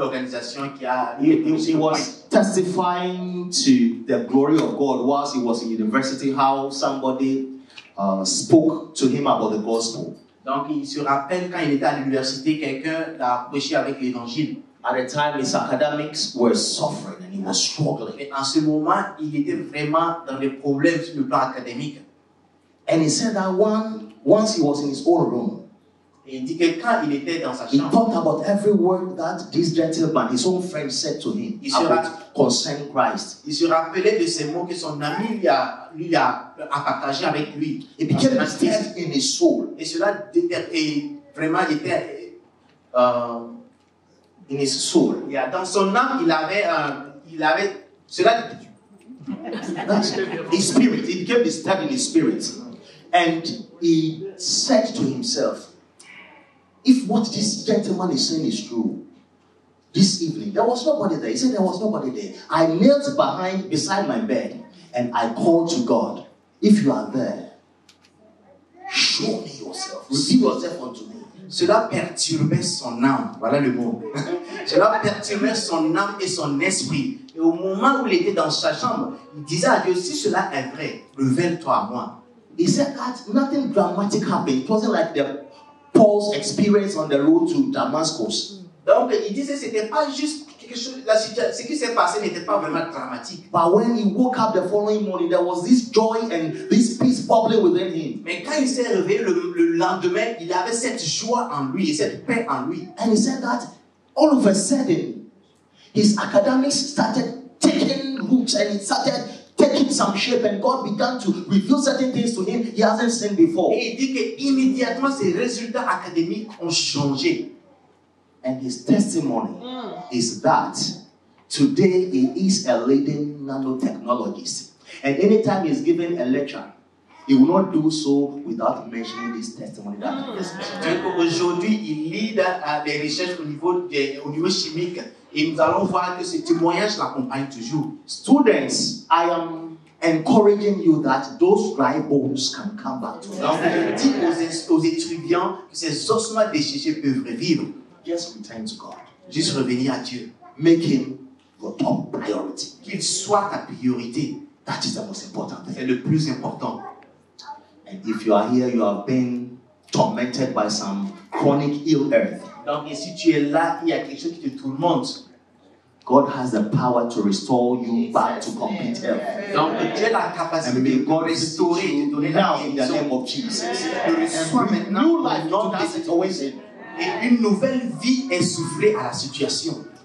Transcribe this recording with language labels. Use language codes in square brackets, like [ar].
[en] He was testifying to the glory of God whilst he was in university, how somebody spoke to him about the gospel. [fr] Donc il se rappelle quand il était à l'université, quelqu'un l'a prêché avec l'évangile. [en] At the time, his academics were suffering and he was struggling. [fr] Mais en ce moment, il était vraiment dans des problèmes sur le plan académique. [en] And he said that once he was in his own room, [fr] et il dit que quand il était dans sa chambre, [en] he talked about every word that this gentleman, his own friend, said to him about concerning Christ. [fr] Il se rappelait de ces mots que son ami lui a partagé avec lui. [en] It became a stick in his soul. [fr] Et cela était vraiment était [en] in his soul. [fr] Yeah, dans son âme, il avait cela. [en] His spirit. It became a stick in his spirit, and he said to himself, if what this gentleman is saying is true, this evening, there was nobody there. He said there was nobody there. I knelt beside my bed and I called to God, if you are there, show me yourself. Reveal yourself unto me. [fr] Cela perturbait son âme. Voilà le mot. Cela perturbait son âme et son esprit. Et au moment où il était dans sa chambre, il disait à Dieu, si cela est vrai, révèle-toi à moi. [en] He said that nothing dramatic happened. It wasn't like the Paul's experience on the road to Damascus. [fr] Donc, il disait que c'était pas juste quelque chose, la situation, ce qui s'est passé n'était pas vraiment dramatique. [en] But when he woke up the following morning, there was this joy and this peace bubbling within him. [fr] Mais quand il s'est réveillé le lendemain, il avait cette joie en lui, cette paix en lui. [en] And he said that all of a sudden, his academics started taking roots and it started taking some shape, and God began to reveal certain things to him he hasn't seen before. [fr] Et il dit que immédiatement ses résultats académiques ont changé. [en] And his testimony is that today he is a leading nanotechnologist. And anytime he's given a lecture, he will not do so without mentioning this testimony. [fr] Donc aujourd'hui, il lead des recherches au niveau chimique. Et nous allons voir que ce témoignage l'accompagne toujours. [en] Students, I am encouraging you that those dry bones can come back to you. [fr] Donc je dis aux étudiants que ces ossements desséchés peuvent revivre. [en] Just return to God. [fr] Juste revenir à Dieu. [en] Make him your top priority. [fr] Qu'il soit ta priorité. [en] That is the most important thing. [fr] C'est le plus important. [en] And if you are here, you have been tormented by some chronic ill earth. [fr] Donc, et si tu es là, il y a quelque chose qui te tourmente. [en] God has the power to restore you back to complete health. [fr] Donc, Dieu a la capacité de te restaurer, de donner la vie, dans le nom de Jésus. Tu reçois maintenant une nouvelle vie, et une nouvelle vie est soufflée à la situation.